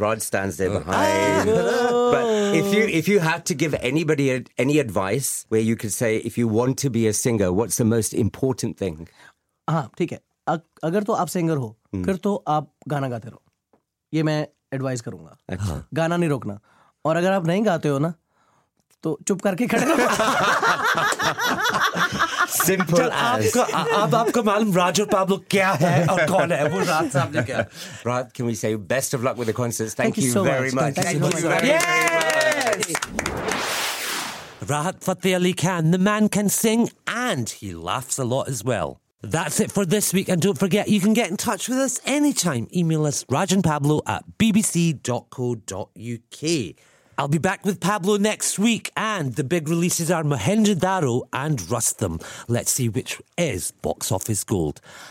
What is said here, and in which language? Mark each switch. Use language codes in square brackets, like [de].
[en] Rod stands there behind. But if you had to give anybody any advice where you could say if you want to be a singer, what's the most important thing? [hi] हाँ ठीक है, अगर तो आप singer हो फिर तो आप गाना गाते रहो, ये मैं एडवाइस करूंगा। अच्छा। गाना नहीं रोकना, और अगर आप नहीं गाते हो ना तो चुप करके खड़े रहो। [en] Simple as. [hi] अब आपको मालूम राजू पाब्लो क्या है और कौन है, वो राज साहब ने क्या। [en] Raj, can we say you best of luck with the concert. Thank you so very much. Rahat Fateh Ali Khan, the man can sing and he laughs a lot as well. That's it for this week, and don't forget, you can get in touch with us anytime. Email us rajanpablo@bbc.co.uk. I'll be back with Pablo next week, and the big releases are Mohenjo-daro and Rustam. Let's see which is box office gold.